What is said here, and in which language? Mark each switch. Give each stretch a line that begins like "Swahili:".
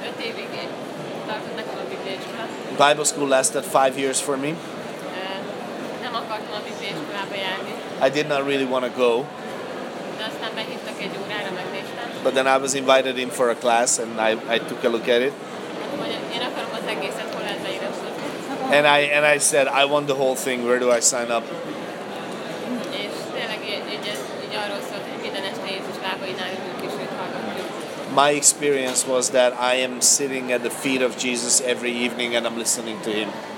Hungarian: 5 évig tartott nekem a Bibliaiskolát.
English: Bible school lasted 5 years for me.
Hungarian: Nem akartam a Bibliaiskolába járni.
English: I did not really want to go.
Hungarian: De aztán behívtak egy órára, megnéztem.
English: But then I was invited in for a class and I took a look at it.
Hungarian: Én akarom az egészet, hol lehet beiratkozni.
English: And I said, I want the whole thing, where do I sign up?
Hungarian: És tényleg így arról szólt, hogy minden este Jézus lábainál ülünk és őt hallgatjuk.
English: My experience was that I am sitting at the feet of Jesus every evening and I'm listening to him.